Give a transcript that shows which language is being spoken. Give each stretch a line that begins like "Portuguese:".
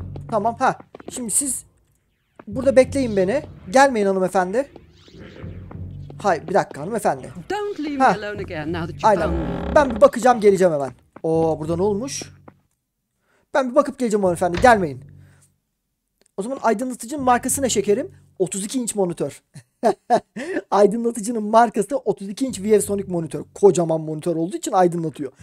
Turkish: Tamam, ha. Şimdi siz burada bekleyin beni. Gelmeyin hanımefendi. Hayır, bir dakika hanımefendi.
English: Don't leave me alone again now that you found me.
Turkish: Ben bir bakacağım, geleceğim hemen. Oo, burada ne olmuş? Ben bir bakıp geleceğim hanımefendi, gelmeyin. O zaman aydınlatıcının markası ne şekerim? 32 inç monitör. Aydınlatıcının markası da 32 inç ViewSonic monitör. Kocaman monitör olduğu için aydınlatıyor.